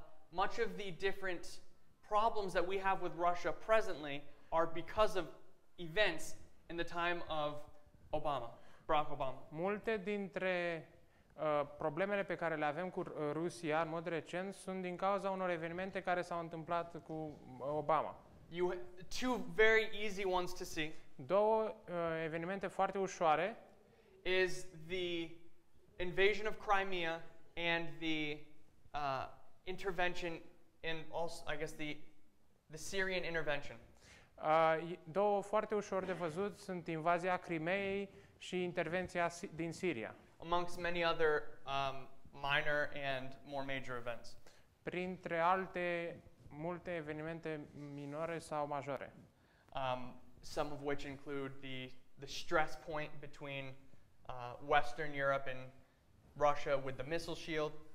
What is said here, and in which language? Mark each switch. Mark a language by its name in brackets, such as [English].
[English] Much of the different problems that we have with Russia presently are because of events in the time of Obama, Barack Obama. [Romanian] Multe dintre problemele pe care le avem cu Rusia în mod recent sunt din cauza unor evenimente care s-au întâmplat cu Obama. [English] Two very easy ones to see. [Romanian] Două evenimente foarte ușoare [English] is the invasion of Crimea and the intervention in also I guess the Syrian intervention. [Romanian] Două foarte ușor de văzut sunt invazia Crimeei și intervenția din Siria. [English] Amongst many other minor and more major events. [Romanian] Printre alte multe evenimente minore sau majore. [English] Some of which include the stress point between Western Europe and Russia with the missile shield.